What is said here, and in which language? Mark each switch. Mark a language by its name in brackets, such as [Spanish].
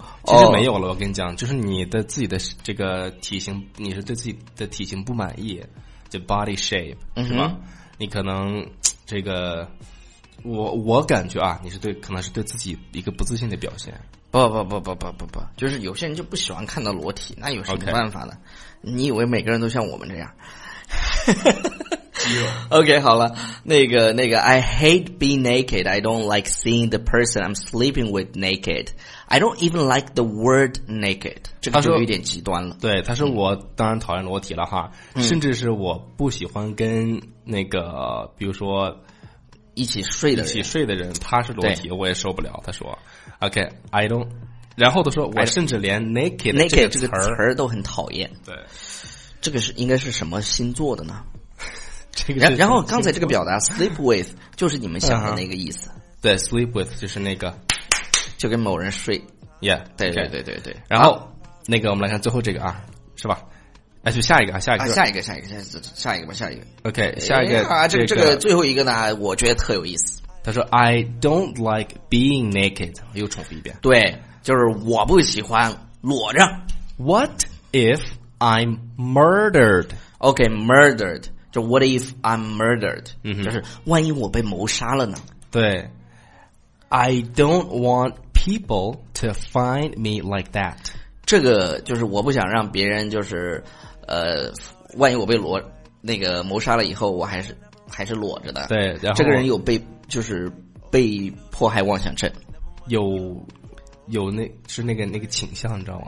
[Chinese] 其实没有了，我跟你讲，就是你的自己的这个体型，你是对自己的体型不满意，就 [English] body shape, [Chinese] 是吧、嗯、你可能这个我感觉啊，你是对，可能是对自己一个不自信的表现。不，就是有些人就不喜欢看到裸体，那有什么办法呢、 okay. 你以为每个人都像我们这样肌肉。 [English] OK, [Chinese] 好了，那个 [English] I hate being naked, I don't like seeing the person I'm sleeping with naked, I don't even like the word naked, [Chinese] 这个就有点极端了。对，他说我当然讨厌裸体了哈、嗯、甚至是我不喜欢跟那个比如说一起睡的人他是裸体我也受不了，他说 [English] OK, I don't, [Chinese] 然后他说我甚至连 naked 这个词儿都很讨厌。对，这个是应该是什么星座的呢？这个是，然后刚才这个表达 sleep with 就是你们想的那个意思、 uh-huh. 对， sleep with 就是那个就跟某人睡。 yeah, 对对对对对。然后那个我们来看最后这个啊，是吧，哎，就下一个啊，下一个啊，下一个，下一个，下一个，下一个吧，下一个。 OK, 下一个、哎、啊，这个最后一个呢，我觉得特有意思。他说 ： [English] "I don't like being naked。" [Chinese] 又重复一遍。对，就是我不喜欢裸着。 [English] What if I'm murdered? OK, murdered. 就 What if I'm murdered?、 [Chinese] 嗯、就是万一我被谋杀了呢？对。 [English] I don't want people to find me like that. [Chinese] 这个就是我不想让别人就是万一我被谋杀了以后我还是裸着的。对，然后这个人有被迫害妄想症，有那是那个倾向，你知道吗？